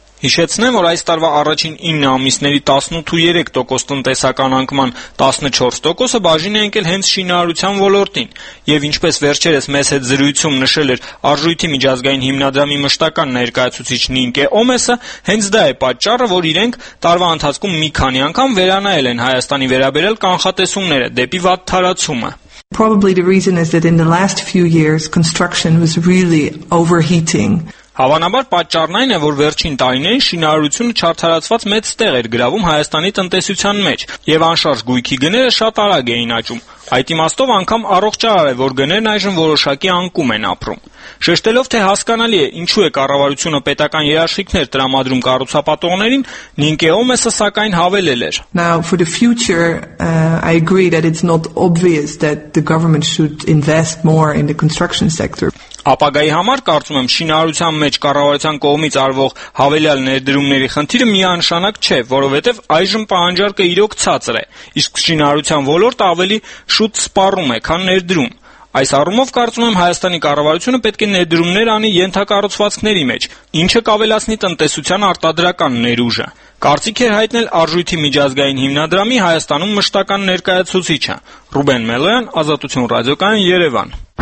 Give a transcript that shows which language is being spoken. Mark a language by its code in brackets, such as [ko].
[hy] Հիշեցնեմ, որ այս տարվա առաջին 9 ամիսների 18.3% տնտեսական անկման 14%-ը բաժին է ընկել հենց շինարարության ոլորտին, եւ ինչպես վերջերս մեզ հետ զրույցում նշել էր Արժույթի միջազգային հիմնադրամի մշտական ներկայացուցիչ Նինկե Օմեսը, հենց դա է պատճառը, որ իրենք տարվա ընթացքում մի քանի անգամ վերանայել են Հայաստանի վերաբերյալ կանխատեսումները դեպի վատ տարածումը։ [en] Probably the reason is that in the last few years construction was really overheating. [hy] Հավանաբար պատճառն այն է, որ վերջին տարիներին շինարարությունը չարդարացված մեծ տեղ էր գրավում Հայաստանի տնտեսության մեջ, եւ անշարժ գույքի գները շատ արագ էին աճում։ Այդ իմաստով անգամ առողջարար է, որ գներն այժմ որոշակի անկում են ապրում։ Շեշտելով, թե հասկանալի է, ինչու է կառավարությունը պետական երաշխիքներ տրամադրում կառուցապատողներին, Նինկե Օմեսը սակայն հավելել էր. [en] Now for the future, I agree that it's not obvious that the government should invest more in the construction sector. [hy] Ապագայի համար կարծում եմ շինարարության մեջ կառավարության կողմից արվող հավելյալ ներդրումների խնդիրը միանշանակ չէ, որովհետև այժմ պահանջարկը իրոք ցածր է, իսկ շինարարության ոլորտը ավելի շուտ սպառում է, քան ներդրում։ Այս առումով կարծում եմ Հայաստանի կառավարությունը պետք է ներդրումներ անի ենթակառուցվածքների մեջ, ինչը կավելացնի տնտեսության արտադրական ներուժը։ Կարծիք էր հայտնել Արժույթի միջազգային հիմնադրամի Հայաստանում մշտական ներկայացուցիչը Ռուբեն Մելոյան, Ազատություն ռադիոկայան, Երևան։